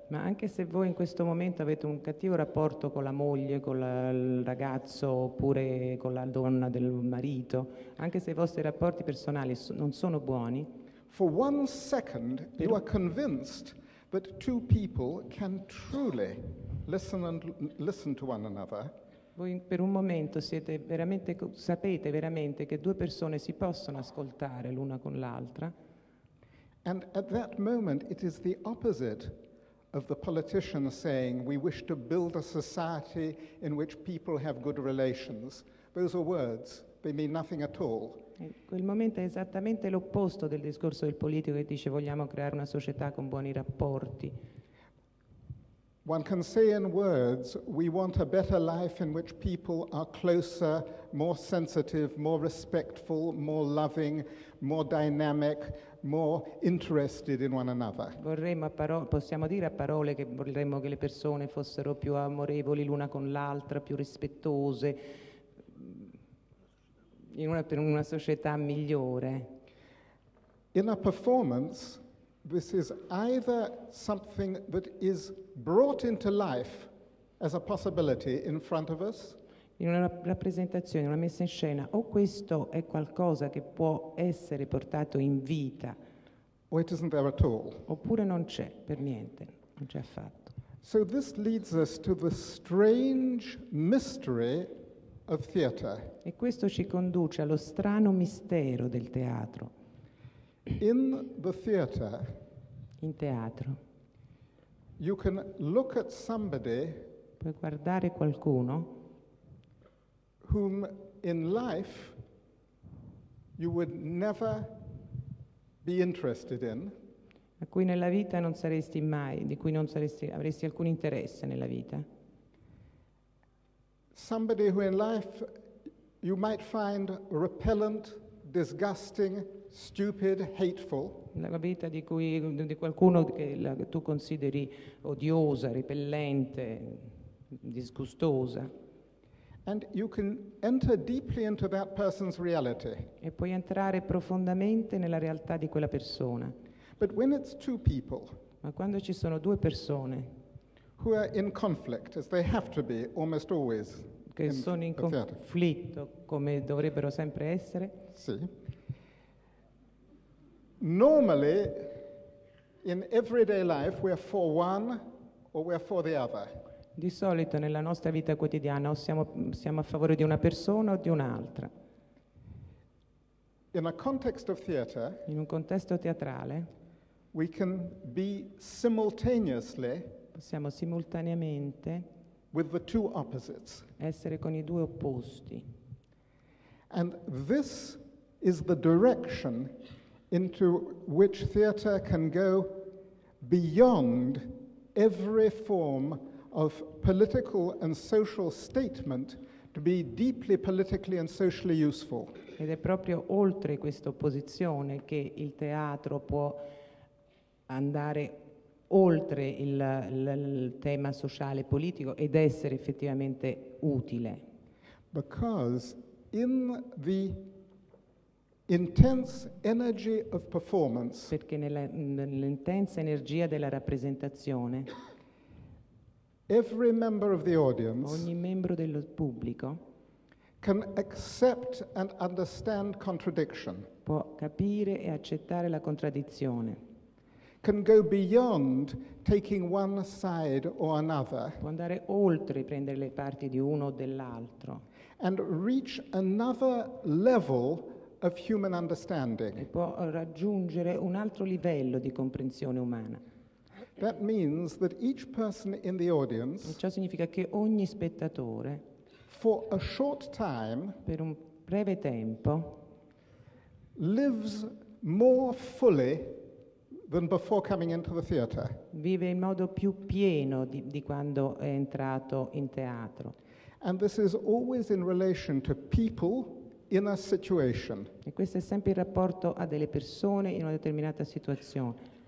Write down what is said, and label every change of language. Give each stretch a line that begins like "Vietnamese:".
Italian: Ma anche se voi in questo momento avete un cattivo rapporto con la moglie, con il ragazzo, oppure con la donna del marito, anche se i vostri rapporti personali non sono buoni,
English: for one second you are convinced that two people can truly listen to one another.
Italian: Voi per un momento siete veramente, sapete veramente che due persone si possono ascoltare l'una con l'altra.
English: And at that moment it is the opposite of the politician saying we wish to build a society in which people have good relations. Those are words, they mean nothing at all.
Italian: Quel momento è esattamente l'opposto del discorso del politico che dice vogliamo creare una società con buoni rapporti.
English: One can say in words, we want a better life in which people are closer, more sensitive, more respectful, more loving, more dynamic, more interested in one another.
Italian: Vorremmo possiamo dire a parole che vorremmo che le persone fossero più amorevoli l'una con l'altra, più rispettose, per una società migliore.
English: In a performance, this is either something that is brought into life as a possibility in front of us.
Italian: In una rappresentazione, una messa in scena, o questo è qualcosa che può essere portato in vita.
English: Or it isn't there at all.
Italian: Oppure non c'è per niente, non c'è affatto.
English: So this leads us to the strange mystery of theater.
Italian: E questo ci conduce allo strano mistero del teatro.
English: In the theater,
Italian: in teatro,
English: you can look at somebody,
Italian: puoi guardare qualcuno,
English: whom in life you would never be interested in,
Italian: a cui nella vita non saresti mai, di cui non saresti, avresti alcun interesse nella vita.
English: Somebody who in life you might find repellent, disgusting, stupid, hateful.
Italian: La vita di cui di qualcuno che tu consideri odiosa, ripellente, disgustosa.
English: And you can enter deeply into that person's reality.
Italian: E puoi entrare profondamente nella realtà di quella persona.
English: But when it's two people,
Italian: ma quando ci sono due persone,
English: who are in conflict, as they have to be almost always,
Italian: che sono in conflitto, come dovrebbero sempre essere? Sì.
English: Normally, in everyday life, we are for one or we are for the other.
Italian: Di solito nella nostra vita quotidiana o siamo a favore di una persona o di un'altra.
English: In a context of theater,
Italian: in un contesto teatrale,
English: we can be simultaneously,
Italian: possiamo simultaneamente,
English: with the two opposites,
Italian: essere con i due opposti.
English: And this is the direction into which theater can go beyond every form of political and social statement to be deeply politically and socially useful.
Italian: Ed è proprio oltre questa opposizione che il teatro può andare oltre il tema sociale politico ed essere effettivamente utile.
English: Because in the intense energy of performance,
Italian: perché nell'intensa energia della rappresentazione,
English: every member of the audience,
Italian: ogni membro del pubblico,
English: can accept and understand contradiction,
Italian: può capire e accettare la contraddizione,
English: can go beyond taking one side or another,
Italian: può andare oltre prendere le parti di uno o dell'altro,
English: and reach another level of human understanding,
Italian: e può raggiungere un altro livello di comprensione umana.
English: That means that each person in the audience,
Italian: ciò significa che ogni spettatore,
English: for a short time,
Italian: per un breve tempo,
English: lives more fully than before coming into the theater,
Italian: vive in modo più pieno di quando è entrato in teatro.
English: And this is always in relation to people in a situation,
Italian: e questo è sempre in rapporto a delle persone in una determinata situazione.